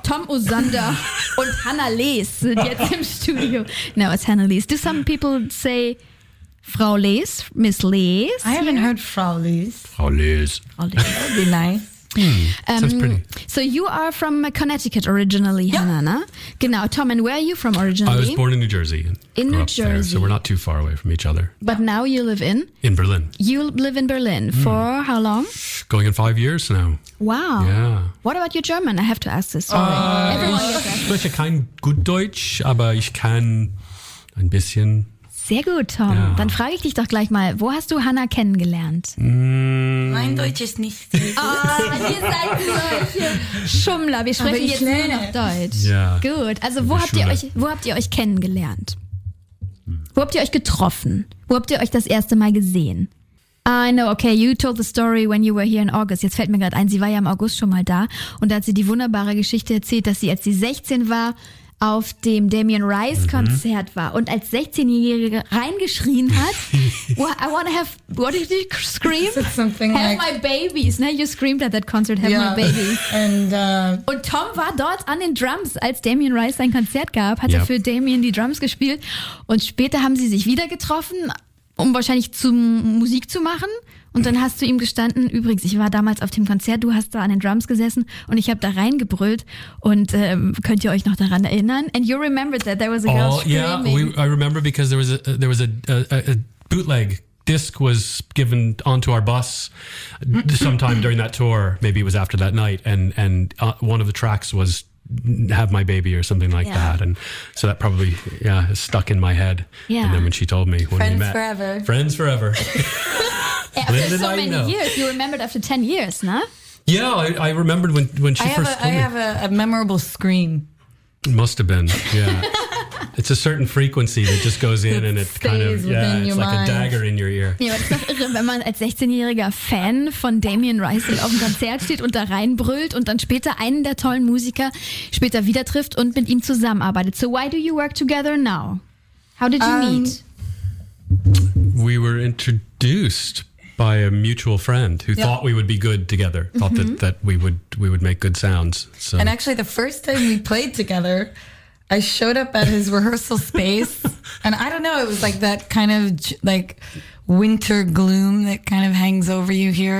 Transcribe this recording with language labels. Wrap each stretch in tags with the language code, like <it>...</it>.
<de>Tom Ossander und Hannah Lees sind jetzt im Studio.</de> <en>No, it's Hannah Lees. Do some people say Frau Lees, Miss Lees? I haven't heard Frau Lees. Frau Lees. Frau Lees, that would be nice. Sounds pretty. So you are from Connecticut originally, yep. Hannah.</en> <de>Genau,</de> <en>Tom, and where are you from originally? I was born in New Jersey. In New Jersey. There, so we're not too far away from each other. But now you live in? In Berlin. You live in Berlin for how long? Going on 5 years now. Wow. Yeah. What about your German? I have to ask this. Sorry.</en> <de>Ich spreche kein gut Deutsch, aber ich kann ein bisschen. Sehr gut, Tom. Ja. Dann frage ich dich doch gleich mal, wo hast du Hannah kennengelernt? Mein Deutsch ist nicht Ihr seid solche Schummler. Wir sprechen jetzt nur noch Deutsch. Ja. Gut. Also wo habt ihr euch kennengelernt? Wo habt ihr euch getroffen? Wo habt ihr euch das erste Mal gesehen?</de> <en>I know, okay, you told the story when you were here in August.</en> <de>Jetzt fällt mir gerade ein, sie war ja im August schon mal da. Und da hat sie die wunderbare Geschichte erzählt, dass sie, als sie 16 war, auf dem Damien Rice Konzert war und als 16-Jährige reingeschrien hat,</de> <en>I want to have, what did you scream? Something have like, my babies. Ne? You screamed at that concert, have my babies.</en> <de>Und Tom war dort an den Drums, als Damien Rice sein Konzert gab, hat er für Damien die Drums gespielt und später haben sie sich wieder getroffen, um wahrscheinlich Musik zu machen. Und dann hast du ihm gestanden, übrigens, ich war damals auf dem Konzert, du hast da an den Drums gesessen und ich habe da reingebrüllt und könnt ihr euch noch daran erinnern?</de> <en>And you remembered that there was a girl screaming. I remember because there was a bootleg disc was given onto our bus sometime during that tour, maybe it was after that night, and one of the tracks was Have My Baby or something like that. And so that probably stuck in my head. Yeah. And then when she told me when friends we met. Forever. Friends forever. After so many years, you remembered after 10 years, no? Yeah, I remembered when she first told me. I have a memorable scream. It must have been, yeah. It's a certain frequency that just goes in it and it kind of, it's like mind. A dagger in your ear.</en> <de>Ja, das ist irre, wenn man als 16-jähriger Fan von Damien Rice auf dem Konzert steht und da reinbrüllt und dann später einen der tollen Musiker später wieder trifft und mit ihm zusammenarbeitet.</de> <en>So why do you work together now? How did you meet? We were introduced by a mutual friend who thought we would be good together, thought that we would make good sounds. So. And actually the first time we played together, I showed up at his rehearsal space and I don't know, it was like that kind of like winter gloom that kind of hangs over you here.</en>